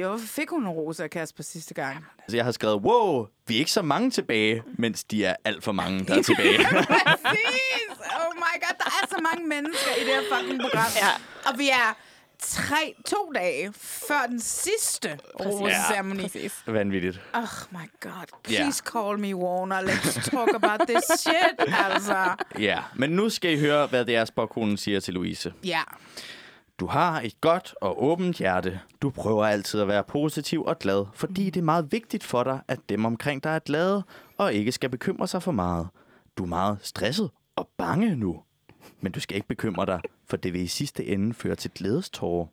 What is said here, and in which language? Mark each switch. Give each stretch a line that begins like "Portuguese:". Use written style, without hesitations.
Danish: Hvorfor fik hun en rose af Kasper sidste gang? Så jeg har skrevet, wow, vi er ikke så mange tilbage, mens de er alt for mange, der er tilbage. Præcis!
English: Oh my god,
Danish: der er så mange mennesker i det her fucking program. Ja. Og vi er 2 dage før den sidste roseceremoni. Ja, vanvittigt.
English: Oh my god, please call me Warner, let's talk about this shit, altså.
Danish: Ja, men nu skal I høre, hvad det er, spokkonen siger til Louise. Ja. Du har et godt og åbent hjerte. Du prøver altid at være positiv og glad, fordi det er meget vigtigt for dig, at dem omkring dig er glade og ikke skal bekymre sig for meget. Du er meget stresset og bange nu, men du skal ikke bekymre dig, for det vil i sidste ende føre til glædestårer.